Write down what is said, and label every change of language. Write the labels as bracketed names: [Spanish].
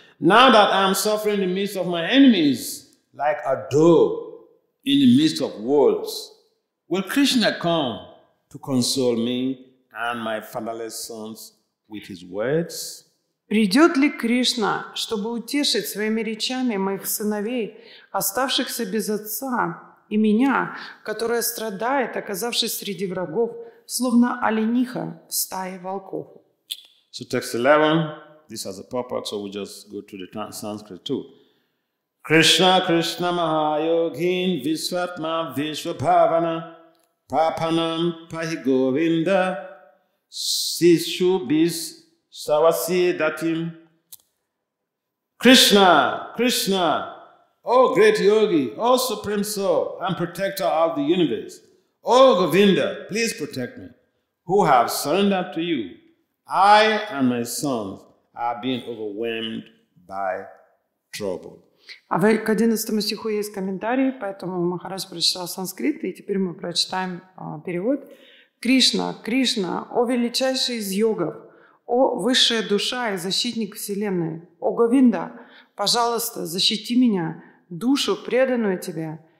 [English] Now that I am suffering in the midst of my enemies, like a doe in the midst of wolves, will Krishna come to console me and my fatherless sons with his words? [Russian] Придет ли Кришна, чтобы утешить своими речами моих сыновей, оставшихся без отца, и меня, которая страдает, оказавшись среди врагов, словно олениха в стае волков? [English] So text 11, this has a purpose, so we just go to the Sanskrit too. [Sanskrit] Krishna, Krishna, Mahayogin, Vishvatma, Vishvabhavana, Prapanam, Pahigovinda, Sishubis, Savasi Datim. [English] Krishna, Krishna, O great yogi, O supreme soul, and protector of the universe, O Govinda, please protect me, who have surrendered to you. I and my sons are being overwhelmed by trouble. [Russian] А в 11 стиху есть комментарий, поэтому Махарадж прочитал санскрит, и теперь мы прочитаем перевод. Кришна, Кришна, о величайший из йогов, о высшая душа и защитник Вселенной, о Говинда, пожалуйста, защити меня, душу, преданную тебе.